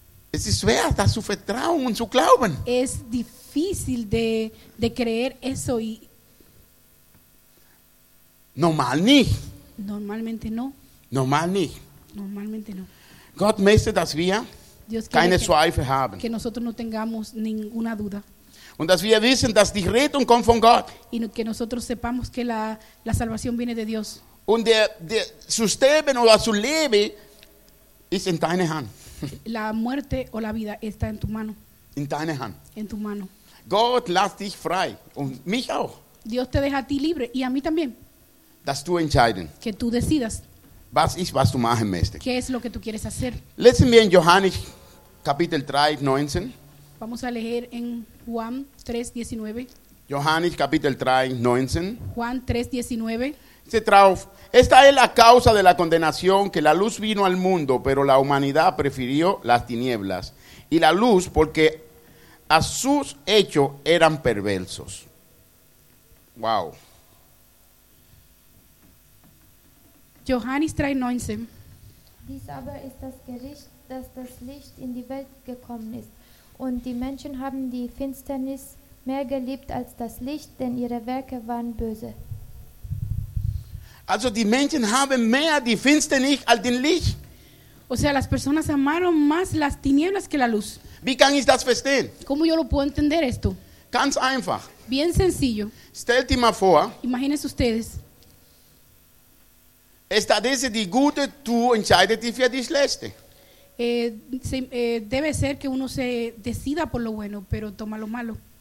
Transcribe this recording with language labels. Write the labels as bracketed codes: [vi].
[de] Es ist schwer, das zu vertrauen und zu glauben. [es] Es difícil de creer eso y. [de] Normal nicht. [es] Normalmente no. [de] Normal nicht. [es] Normalmente no. [de] Gott möchte, dass wir [es] Dios [de] keine Zweifel haben. [es] Que nosotros no tengamos ninguna duda. [de] Und dass wir wissen, dass die Rettung kommt von Gott. [es] Y que nosotros sepamos que la salvación viene de Dios. [de] Und der zu sterben oder zu leben ist in deine Hand. [es] La muerte o la vida está en tu mano. [de] In deine Hand. [es] En tu mano. [de] Gott lässt dich frei und mich auch. [es] Dios te deja a ti libre y a mí también. [de] Dass du entscheiden. [es] Que tú decidas. [de] Was ist, was du machen möchtest. [es] ¿Qué es lo que tú quieres hacer? [de] Lesen wir in Johannes Kapitel 3, 19. [es] Vamos a leer en Juan 3:19. [de] Johannes Kapitel 3, 19. [es] Juan 3:19. Dice drauf: Esta es la causa de la condenación, que la luz vino al mundo, pero la humanidad prefirió las tinieblas y la luz porque a sus hechos eran perversos. Wow. [de] Johannes 3:19. Dies aber ist das Gericht, dass das Licht in die Welt gekommen ist. Und die Menschen haben die Finsternis mehr geliebt als das Licht, denn ihre Werke waren böse. Also die Menschen haben mehr die Finsternis als den Licht. [es] O sea, las personas amaron más las tinieblas que la luz. [de] Wie kann ich das verstehen? [es] ¿Cómo yo lo puedo entender esto? [de] Ganz einfach. [es] Bien sencillo. [de] Stell dir mal vor. [es] Imagínense ustedes. [de] Estadece die gute, tú entscheidest dich für die schlechte. [es] Debe ser que uno se decida por lo bueno, pero toma lo malo.